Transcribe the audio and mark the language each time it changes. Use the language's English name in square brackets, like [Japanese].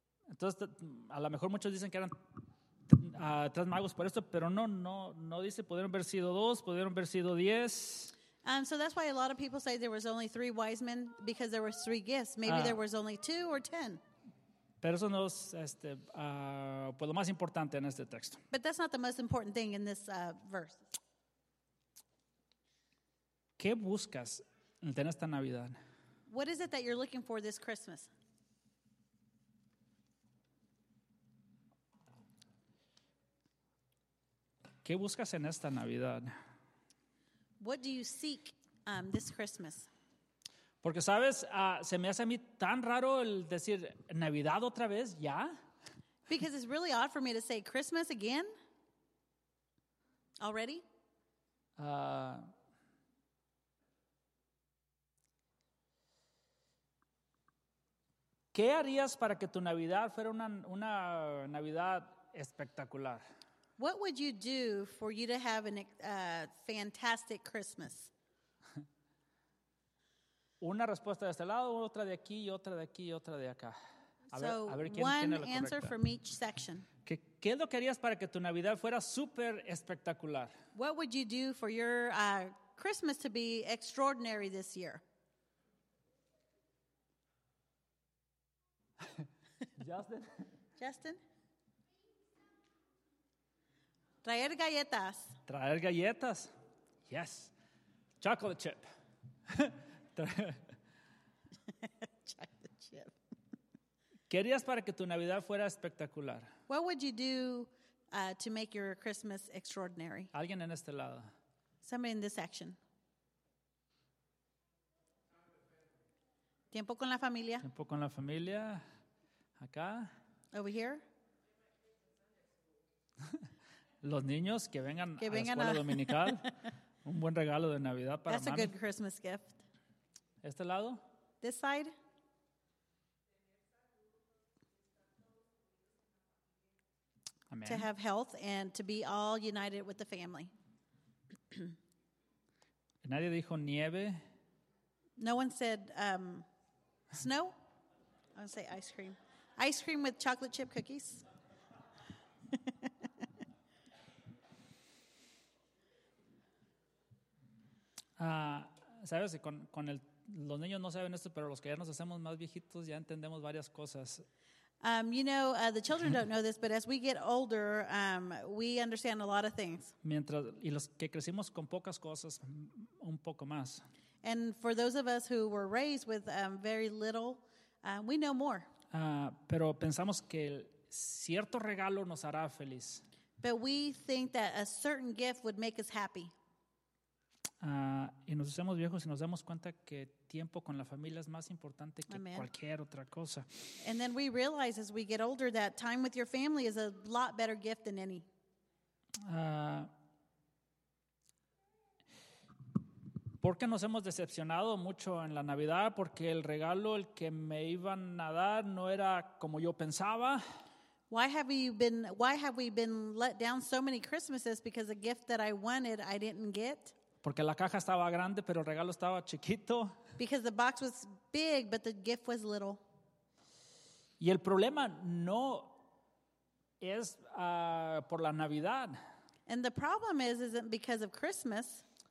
[Spanish] Entonces, a lo mejor muchos dicen que eran tres magos por esto, pero no dice, pudieron haber sido dos, pudieron haber sido 10. [English] So that's why a lot of people say there was only three wise men, because there were three gifts. Maybe there was only 2 or 10. [Spanish] Pero eso no es lo más importante en este texto. [English] But that's not the most important thing in this verse. [Spanish] ¿Qué buscas en esta Navidad? [English] What is it that you're looking for this Christmas? [Spanish] ¿Qué buscas en esta Navidad? [English] What do you seek this Christmas? [Spanish] Porque, ¿sabes? Se me hace a mí tan raro el decir Navidad otra vez, ¿ya? [English] Because it's really odd for me to say Christmas again. Already? [Spanish] ¿Qué harías para que tu Navidad fuera una Navidad espectacular? [English] What would you do for you to have a fantastic Christmas? [Spanish] Una respuesta de este lado, otra de aquí, otra de aquí, otra de acá. [English] One answer from each section. [Spanish] ¿Qué es lo que harías para que tu Navidad fuera super espectacular? [English] What would you do for your Christmas to be extraordinary this year? Justin? [Spanish] Traer galletas. Traer galletas. [English] Yes. Chocolate chip. Chocolate chip. [Spanish] ¿Qué harías para que tu Navidad fuera espectacular? [English] What would you do to make your Christmas extraordinary? [Spanish] Alguien en este lado. [English] Somebody in this section. [Spanish] Tiempo con la familia. Tiempo con la familia. Acá. [English] Over here. [Spanish] Los niños que vengan, a la escuela dominical. Un buen regalo de Navidad para mami. [English] That's a good Christmas gift. [Spanish] ¿Este lado? [English] This side. Amen. To have health and to be all united with the family. [Spanish] ¿Nadie dijo nieve? [English] No one said snow. I would say ice cream. Ice cream with chocolate chip cookies. [Spanish] Sabes, con el los niños no saben esto, pero los que ya nos hacemos más viejitos ya entendemos varias cosas. [English] The children don't know this, but as we get older, we understand a lot of things. [Spanish] Mientras y los que crecimos con pocas cosas, un poco más. [English] And for those of us who were raised with very little, we know more. [Spanish] Pero pensamos que cierto regalo nos hará feliz. [English] But we think that a certain gift would make us happy. [Spanish] Y nos hacemos viejos y nos damos cuenta que tiempo con la familia es más importante que Amen. Cualquier otra cosa. [English] And then we realize as we get older that time with your family is a lot better gift than any. [Spanish] Porque nos hemos decepcionado mucho en la Navidad, porque el regalo el que me iban a dar no era como yo pensaba. [English] Why have we been let down so many Christmases because a gift that I wanted I didn't get? [Spanish] Porque la caja estaba grande, pero el regalo estaba chiquito. [English] Because the box was big, but the gift was little. [Spanish] Y el problema no es por la Navidad. [English] And the problem isn't because of Christmas.